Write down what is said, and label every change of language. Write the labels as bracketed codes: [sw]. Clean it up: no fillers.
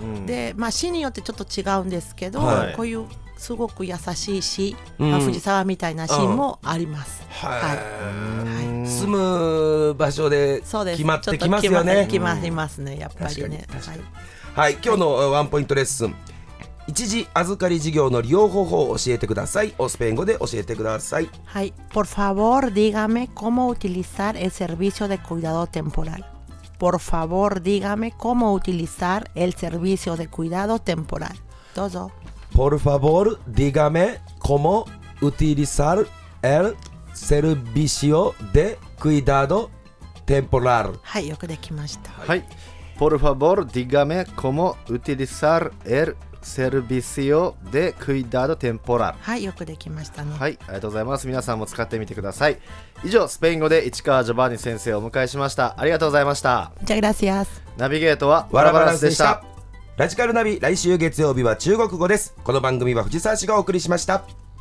[ja] うん、で、まあ、市によってちょっと違うんですけど、はい、こういうすごく優しい市、まあ、藤沢みたいな市もあります。うん、はい、住む場所で決まってきますよね。決まりますね、やっぱりね。はい、今日のワンポイントレッスン、はい、一時預かり事業の利用方法を教えてください。オスペイン語で教えてください。 [es] はい、Por favor dígame cómo utilizar el servicio de cuidado temporal. Por favor dígame cómo utilizar el servicio de cuidado temporal. [ja] どうぞ。 [es] Por favor dígame cómo utilizar elServicio de cuidado temporal. [ja] はい、よくできました。はい。 [es] Por favor, dígame cómo utilizar el servicio de cuidado temporal. [ja] はい、よくできましたね。はい、ありがとうございます。皆さんも使ってみてください。以上、スペイン語で市川ジョバンニ先生をお迎えしました。ありがとうございました。 [es] Muchas gracias. [ja] ナビゲートはワラバランスでした。ラジカルナビ、来週月曜日は中国語です。この番組は藤沢市がお送りしました。